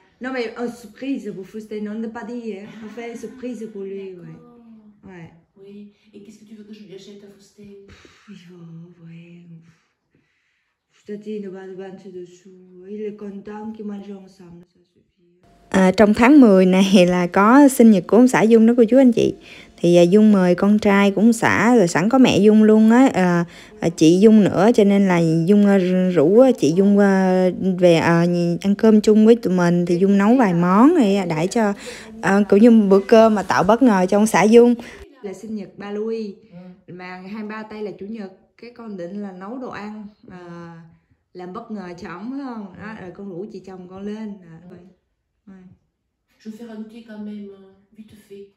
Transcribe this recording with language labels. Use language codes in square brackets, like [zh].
[fr] Non mais une surprise pour Faustin, on n'a pas dit, hein. On fait une surprise pour lui, ouais. Ouais. Oui, et qu'est-ce que tu veux que je lui achète à Faustin? Faustin n'a pas de 20 dessous, il est content qu'il mange ensemble. [vi] À, trong tháng 10 này là có sinh nhật của ông xã Dung đó cô chú anh chị. Thì Dung mời con trai của ông xã, rồi sẵn có mẹ Dung luôn á, chị Dung nữa. Cho nên là Dung rủ chị Dung về ăn cơm chung với tụi mình. Thì Dung nấu vài món này đãi cho cũng như bữa cơm mà tạo bất ngờ cho ông xã Dung. Là sinh nhật ba Louis, mà 23 tây là chủ nhật. Cái con định là nấu đồ ăn, làm bất ngờ cho ông, phải không? Đó, rồi con rủ chị chồng con lên. [fr] Je vais faire un thé quand même, vite fait.